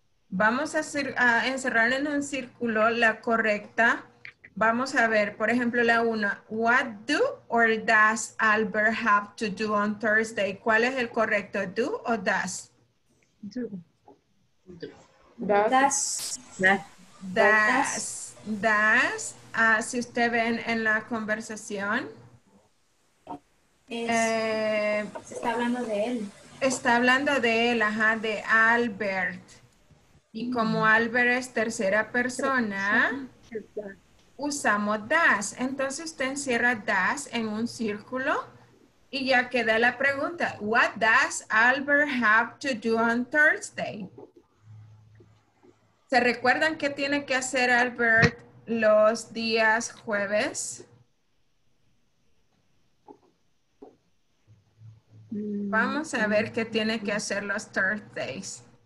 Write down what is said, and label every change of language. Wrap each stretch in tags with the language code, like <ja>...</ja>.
<es>Vamos a encerrar en un círculo la correcta. Vamos a ver, por ejemplo, la una.</es> <en>What do or does Albert have to do on Thursday?</en> <es>¿Cuál es el correcto? ¿Do o does?</es> <en>Do. Does. Does.</en> <es>Does. Does, si usted ve en la conversación. Está hablando de él. Está hablando de él, ajá, de Albert. Y como Albert es tercera persona, usamos does. Entonces usted encierra does en un círculo y ya queda la pregunta.</es> <en>What does Albert have to do on Thursday?</en> <es>¿Se recuerdan qué tiene que hacer Albert los días jueves? Vamos a ver qué tiene que hacer los Thursdays.</es>